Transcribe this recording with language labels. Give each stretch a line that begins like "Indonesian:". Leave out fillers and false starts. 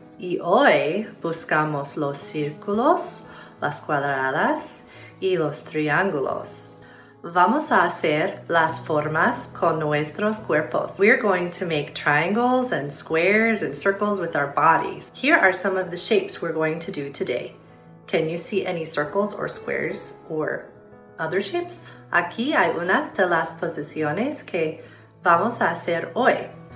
Spanish: Y hoy buscamos los círculos, las cuadradas y los triángulos. Vamos a hacer las formas con nuestros cuerpos.
English: We're going to make triangles and squares and circles with our bodies. Here are some of the shapes we're going to do today. Can you see any circles or squares or other shapes?
Spanish: Aquí hay unas de las posiciones que vamos a hacer hoy.